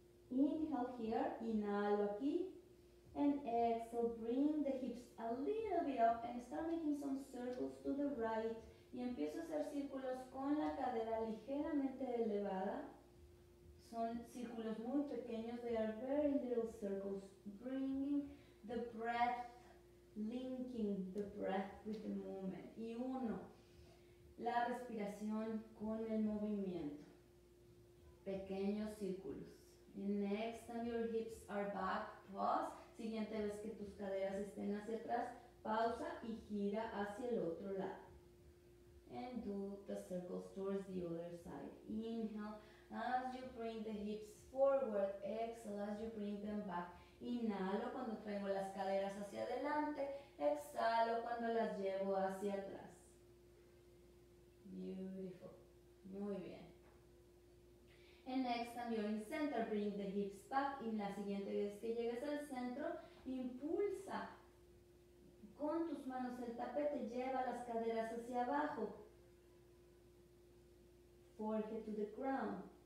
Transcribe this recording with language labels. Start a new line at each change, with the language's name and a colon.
English: Inhale here,
Spanish: inhalo aquí,
English: and exhale, bring the hips a little bit up and start making some circles to the right.
Spanish: Y empiezo a hacer círculos con la cadera ligeramente elevada. Son círculos muy pequeños,
English: they are very little circles, bringing the breath, linking the breath with the movement.
Spanish: Y uno, la respiración con el movimiento. Pequeños círculos.
English: Next time your hips are back, pause.
Spanish: Siguiente vez que tus caderas estén hacia atrás, pausa y gira hacia el otro lado.
English: And do the circles towards the other side. Inhale as you bring the hips forward. Exhale as you bring them back.
Spanish: Inhalo cuando traigo las caderas hacia adelante. Exhalo cuando las llevo hacia atrás. Beautiful. Muy bien.
English: And next time you're in center, bring the hips back.
Spanish: Y la siguiente vez que llegues al centro, impulsa con tus manos el tapete. Lleva las caderas hacia abajo.
English: Forehead to the ground.